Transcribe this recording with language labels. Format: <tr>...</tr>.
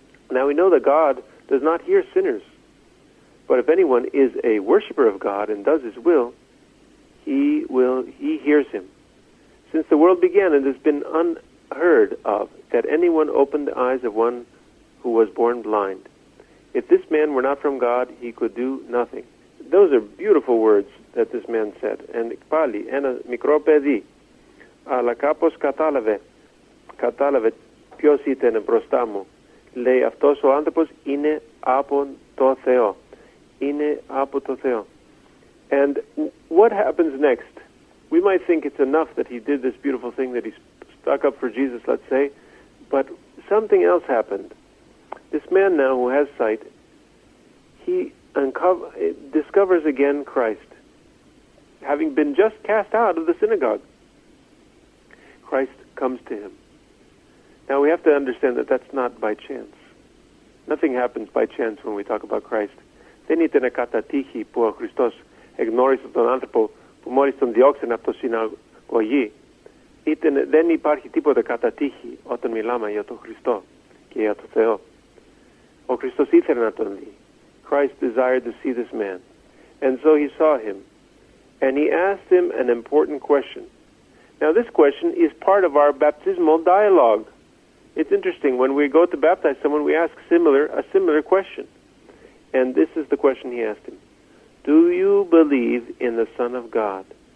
<en>Now we know that God does not hear sinners, but if anyone is a worshiper of God and does his will, he hears him. Since the world began, it has been unheard of that anyone opened the eyes of one who was born blind. If this man were not from God, he could do nothing. Those are beautiful words that this man said.</en> <el>And πάλι, ένα μικρό παιδί, αλλά κάπως κατάλαβε ποιος ήταν μπροστά μου. Λέει, αυτός ο άνθρωπος είναι από το Θεό. Είναι από το Θεό.</el> <en>And what happens next? We might think it's enough that he did this beautiful thing, that he stuck up for Jesus, let's say, but something else happened. This man now who has sight, he discovers again Christ, having been just cast out of the synagogue. Christ comes to him. Now we have to understand that that's not by chance. Nothing happens by chance when we talk about Christ.</en> <el>Δεν ήταν κατά τύχη που ο Χριστός εγνώρισε τον άνθρωπο που μόλις τον διώξαν από το συναγωγή. Δεν υπάρχει τίποτα κατά τύχη όταν μιλάμε για τον Χριστό και για τον Θεό. Ο Χριστός ήθελε να τον δει</el> <en>Christ desired to see this man, and so he saw him, and he asked him an important question. Now, this question is part of our baptismal dialogue. It's interesting. When we go to baptize someone, we ask a similar question. And this is the question he asked him. Do you believe in the Son of God?</en>